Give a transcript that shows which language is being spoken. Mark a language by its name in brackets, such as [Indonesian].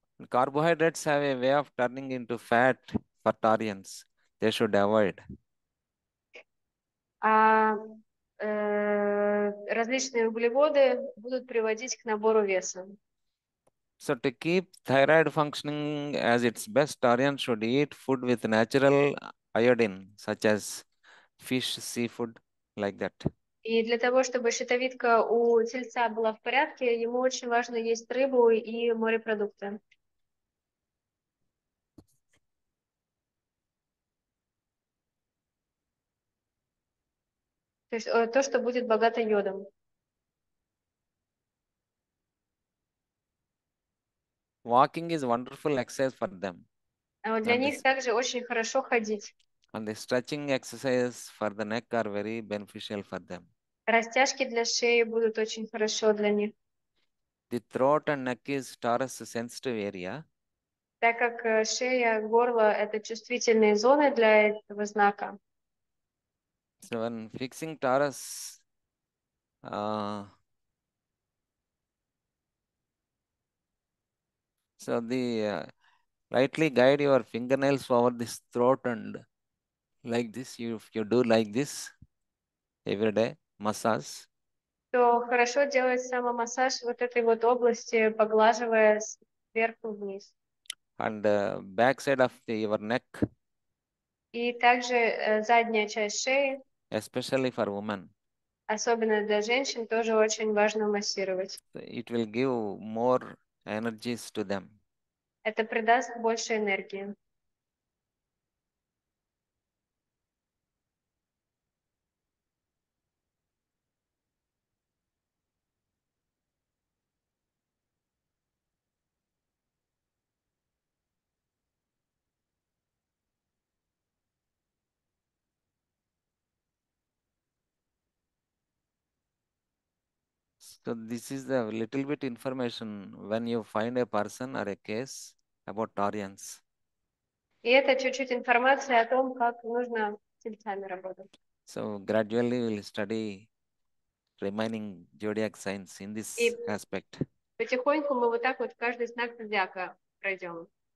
[English] Carbohydrates have a way of turning into fat for taurians. They should avoid. [Russian] Различные углеводы будут приводить к набору веса. [English] So to keep thyroid functioning as its best, taurians should eat food with natural iodine, such as fish, seafood, like that. [Russian] И для того, чтобы щитовидка у тельца была в порядке, ему очень важно есть рыбу и морепродукты. То есть то, что будет богато йодом. [English] Walking is wonderful exercise for them. [Russian] Для них также очень хорошо ходить. [English] And the stretching exercises for the neck are very beneficial for them. [Russian] Растяжки для шеи будут очень хорошо для них. [English] The throat and neck is torus sensitive area. [Russian] Так как шея, горло – это чувствительные зоны для этого знака. [English] So when fixing torus, so the lightly guide your fingernails over this throat and like this, if you do like this every day, massage. [Russian] То хорошо делать самомассаж вот этой вот области, поглаживая сверху вниз. [English] And back side of your neck. [Russian] И также задняя часть шеи. [English] Especially for women. [Russian] Особенно для женщин тоже очень важно массировать. [English] It will give more energies to them. [Russian] Это придаст больше энергии. [English] So this is a little bit information when you find a person or a case about taurians. [Russian] И это чуть-чуть информация о том, как нужно с тельцами работать. [English] So gradually we will study remaining zodiac signs in this [Russian] И [English] aspect. [Russian] потихоньку мы вот так вот каждый знак зодиака пройдем.